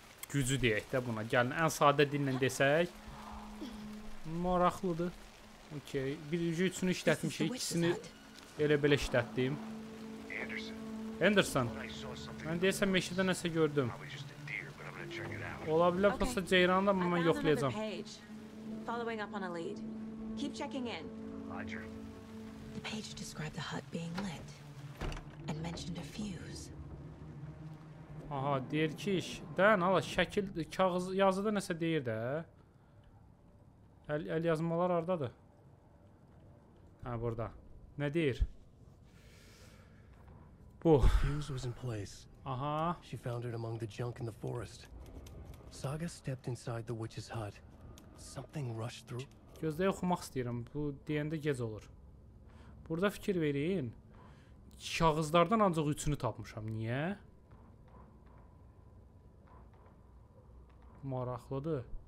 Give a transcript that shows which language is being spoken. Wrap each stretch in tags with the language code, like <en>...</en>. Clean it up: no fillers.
<az>Gücü deyək də buna. Gəlin ən sadə dillə desək. Maraqlıdır. Okay. Bir ucu üçünü işlətmişik. İkisini elə-belə işlətdim. Anderson. Mən deyəsəm meşədə nəsə gördüm. Ola bilər pasa ceyranda, amma mən yoxlayacağam.</az> <en>Following up on a lead. Keep checking in. Roger. The page described the hut being lit and mentioned a fuse.</en> <az>Aha, deyir ki iş. Dən, hala şəkil, kağız, yazıda nəsə deyir də. Əl yazmalar aradadır. Hə, burada. Nə deyir? Bu.</az> <en>Fuse was in place. Aha. She found it among the junk in the forest. Saga stepped inside the witch's hut. Something rushed through.</en> <az>Gözdə oxumaq istəyirəm. Bu deyəndə gec olur. Burada fikir verin. Kağızlardan ancaq üçünü tapmışam. Niyə? Maraqlıdır.</az>